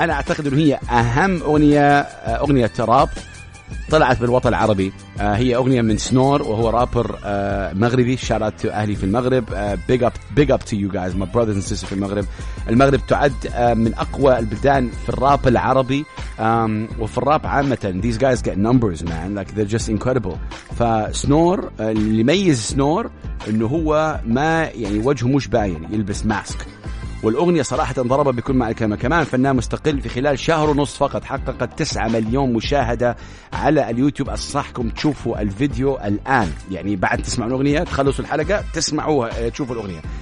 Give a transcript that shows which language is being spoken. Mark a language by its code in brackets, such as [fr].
[ar] أنا أعتقد أنه هي أهم أغنية, أغنية تراب طلعت بالوطن العربي. هي أغنية من سنور وهو رابر مغربي. [en] Shout out to [ar] أهلي في المغرب. [en] Big up to you guys, my brothers and sisters [ar] في المغرب. المغرب تعد من أقوى البلدان في الراب العربي وفي الراب عامة. [en] These guys get numbers man, like they're just incredible. [ar] فسنور اللي يميز سنور إنه هو ما يعني وجهه مش باين, يلبس ماسك. والأغنية صراحة ضربت بكل معنى الكلمة. كمان فنان مستقل في خلال شهر ونص فقط حققت 9 مليون مشاهدة على اليوتيوب. أصحكم تشوفوا الفيديو الآن يعني بعد تسمعوا الأغنية, تخلصوا الحلقة تسمعوها تشوفوا الأغنية.